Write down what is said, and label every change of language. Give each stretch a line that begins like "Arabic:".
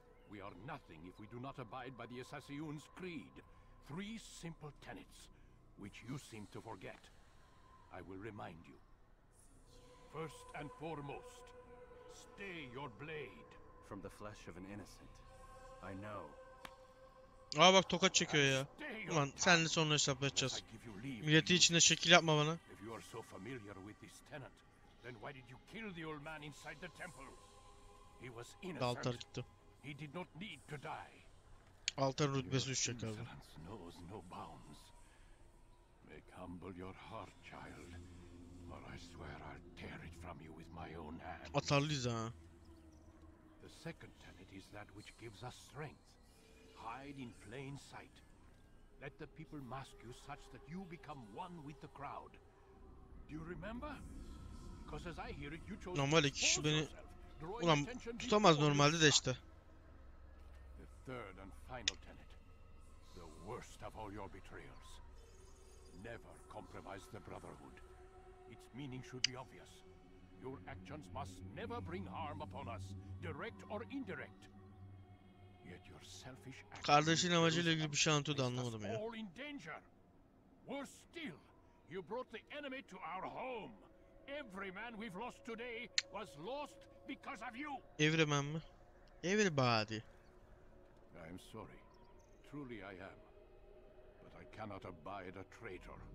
English: We are nothing if we do not abide by the Assassin's Creed. Three simple tenets, which you seem to forget. I will remind you. First and foremost, stay your blade from the flesh of an innocent. I know.
Turkish: Aa bak tokat çekiyor ya. Ulan senle sonra hesap edeceğiz. Milleti içinde şekil yapma bana.
English: If you are so familiar with this tenant, then why did you kill the old man inside the temple? He was innocent.
Turkish: Altar gitti.
English: He did not need to die.
Turkish: Altar rütbesi düşecek abi.
English: Your innocence knows no bounds. Make humble your heart, child. I swear I'll tear it from you with my own hands.
Turkish: Atarlıyız ha.
English: The second tenet is that which gives us strength. Hide in plain sight. Let the people mask you such that you become one with the crowd. Do you remember? Because as I hear it, you chose
Turkish: normal kişi beni ulan tutamaz normalde de işte.
English: The third and final tenet. The worst of all your betrayals. never compromise the Brotherhood. Its meaning should be obvious. Your actions must never bring harm upon us, direct or indirect. Yet your selfish actions...
Turkish: Kardeşin amacıyla ilgili bir şey anlatıyordu, anlamadım ya.
English: All in danger. Worse still, you brought the enemy to our home. Every man we've lost today was lost because of you. Everyman mı? Everybody. I'm sorry. Truly I am. But I cannot abide a traitor.